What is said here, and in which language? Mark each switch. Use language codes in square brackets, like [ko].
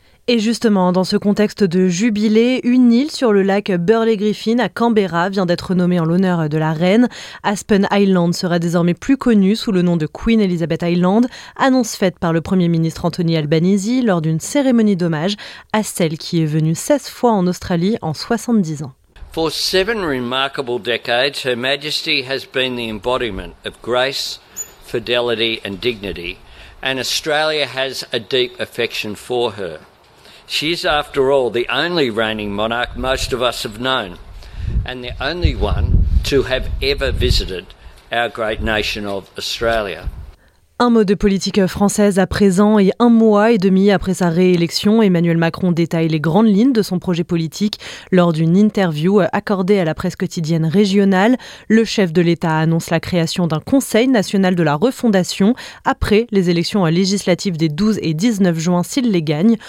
[fr] Et justement, dans ce contexte de jubilé, une île sur le lac Burley Griffin à Canberra vient d'être nommée en l'honneur de la reine. Aspen Island sera désormais plus connue sous le nom de Queen Elizabeth Island, annonce faite par le Premier ministre Anthony Albanese lors d'une cérémonie d'hommage à celle qui est venue 16 fois en Australie en 70 ans. [en] For 7 remarkable decades, Her Majesty has been the embodiment of grace, fidelity and dignity, and Australia has a deep affection for her. She's, after all, the only reigning monarch most of us have known, and the only one to have ever visited our great nation of Australia. [fr] Un mot de politique française à présent et un mois et demi après sa réélection, Emmanuel Macron détaille les grandes lignes de son projet politique lors d'une interview accordée à la presse quotidienne régionale. Le chef de l'État annonce la création d'un Conseil national de la refondation après les élections législatives des 12 et 19 juin s'il les gagne.